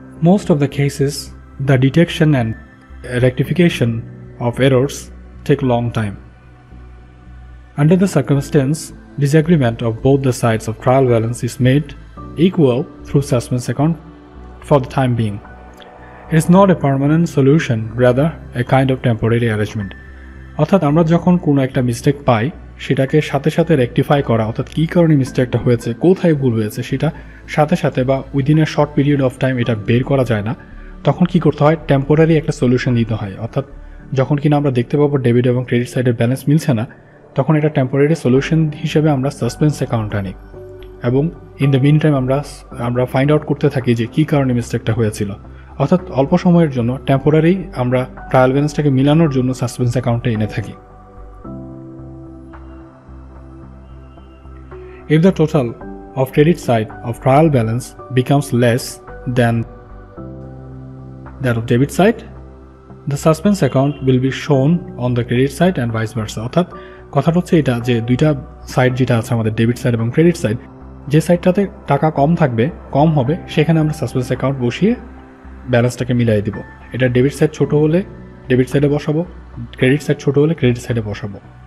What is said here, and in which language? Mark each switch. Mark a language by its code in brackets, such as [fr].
[en] Most of the cases, the detection and rectification of errors take long time. Under the circumstance, disagreement of both the sides of trial balance is made equal through suspense account for the time being. It is not a permanent solution, rather a kind of temporary arrangement. [bn] অর্থাৎ আমরা যখন কোনো একটা mistake পাই সেটাকে সাথে সাথে rectify করা, অর্থাৎ কী কারণে মিস্টেকটা হয়েছে, কোথায় ভুল হয়েছে, সেটা সাথে সাথে বা [en] within a short period of time [bn] এটা বের করা যায় না, তখন কী করতে হয়, টেম্পোরারি একটা সলিউশন দিতে হয়। অর্থাৎ যখন কিনা আমরা দেখতে পাবো ডেবিট এবং ক্রেডিট সাইডের ব্যালেন্স মিলছে না, তখন এটা টেম্পোরারি সলিউশন হিসেবে আমরা সাসপেন্স অ্যাকাউন্ট আনি এবং [en] in the meantime [bn] আমরা ফাইন্ড আউট করতে থাকি যে কী কারণে মিস্টেকটা হয়েছিল। অর্থাৎ অল্প সময়ের জন্য টেম্পোরারি আমরা ট্রায়াল ব্যালেন্সটাকে মিলানোর জন্য সাসপেন্স অ্যাকাউন্টে এনে থাকি। [en] If the total of credit side of trial balance becomes less than that of debit side, the suspense account will be shown on the credit side and vice versa. [bn] অর্থাৎ কথা হচ্ছে এটা যে দুইটা সাইড যেটা আছে আমাদের ডেবিট সাইড এবং ক্রেডিট সাইড, যে সাইডটাতে টাকা কম থাকবে কম হবে সেখানে আমরা সাসপেন্স অ্যাকাউন্ট বসিয়ে ব্যালেন্সটাকে মিলাই দেবো। এটা ডেবিট সাইড ছোটো হলে ডেবিট সাইডে বসাবো, ক্রেডিট সাইড ছোটো হলে ক্রেডিট সাইডে বসাবো।